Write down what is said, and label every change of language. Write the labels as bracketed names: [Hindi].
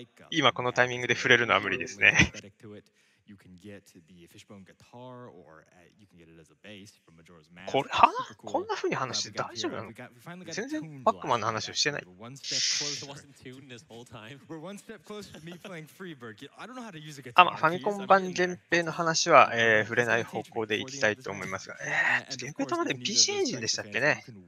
[Japanese] 今このタイミングで触れるのは無理ですね。 [English] You can get the Fishbone guitar, or you can get it as a bass from Majora's Mask. [Japanese] これは、こんな風に話して大丈夫なの？全然バックマンの話をしてない。あ、まあ、ファミコン版源平の話は、触れない方向でいきたいと思いますが、源平とまで PC エンジンでしたっけね。